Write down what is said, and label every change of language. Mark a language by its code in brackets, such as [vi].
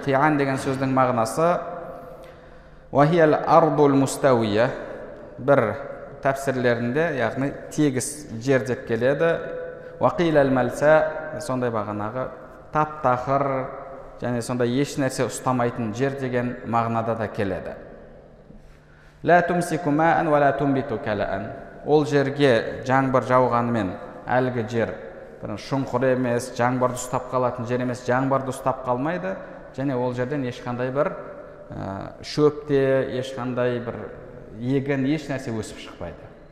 [kk] Қиян деген сөздің мағынасы [ar] وَهِيَ الْأَرْضُ الْمُسْتَوِيَةِ. [kk] Бір тәпсірлерінде, яғни тегіс жер деп келеді. [ar] وَقِيلَ الْمَلْسَى. [kk] Сондай бағанағы тап-тақыр, және сондай еш нәрсе ұстамайтын жер деген мағынада да келеді. [ar] لا تمسك ماء ولا تنبت كلاء. [kk] Ол жерге жаңбыр жауғанымен әлгі жер шұңқыр емес, жаңбырды ұстап қалатын жер емес, жаңбырды ұстап қалмайды, және ол жерден ешқандай бір шөпте, ешқандай бір егін, еш нәрсе өсіп шықпайды.